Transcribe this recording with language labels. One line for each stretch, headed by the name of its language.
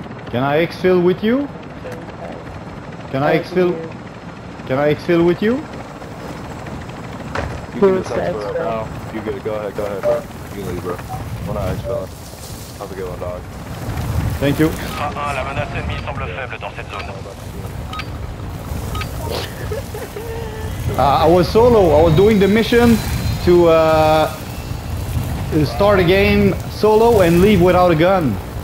English: Can I exfil with you? Can I exfil? Can I exfil with you? You can exfil right now. You good? Go ahead, bro. You can leave, bro. When I exfil, have a good one, dog. Thank you.
French: La menace ennemie semble faible dans cette zone.
English: I was solo. I was doing the mission to start a game solo and leave without a gun.